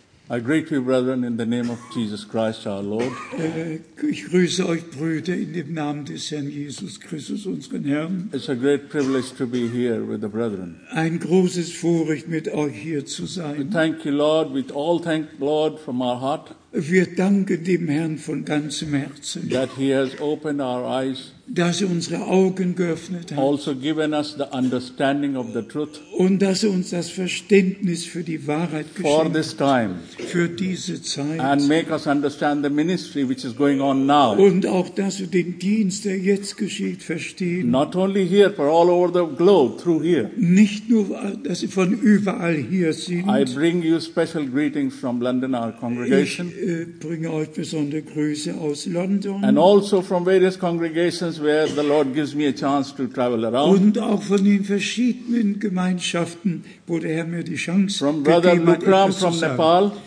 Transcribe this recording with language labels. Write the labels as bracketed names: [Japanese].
[English] I greet you, brethren, in the name of Jesus Christ, our Lord. [German] Ich grüße euch, Brüder, in dem Namen des Herrn Jesus Christus, unseren Herrn. [English] It's a great privilege to be here with the brethren. [German] Ein großes Vorrecht, mit euch hier zu sein. [English] We thank you, Lord. We all thank Lord from our heart. [German] Wir danken dem Herrn von ganzem Herzen. [English] That He has opened our eyes. [German] Dass er unsere Augen geöffnet hat. [English] Also given us the understanding of the truth. [German] Und dass er uns das Verständnis für die Wahrheit geschenkt hat. [English] For this time. [German] Für diese Zeit. [English] And make us understand the ministry which is going on now. [German] Und auch, dass wir den Dienst, der jetzt geschieht, verstehen. [English] Not only here, but all over the globe, through here. [German] Nicht nur, dass sie von überall hier sind. [English] I bring you special greetings from London, our congregation. [German] Ich bringe euch besondere Grüße aus London. [English] And also from various congregations where the Lord gives me a chance to travel around. [German] Und auch von den verschiedenen Gemeinschaften, wo der Herr mir die Chance gegeben hat, etwas zu sagen. [English] From Brother Mukram from Nepal.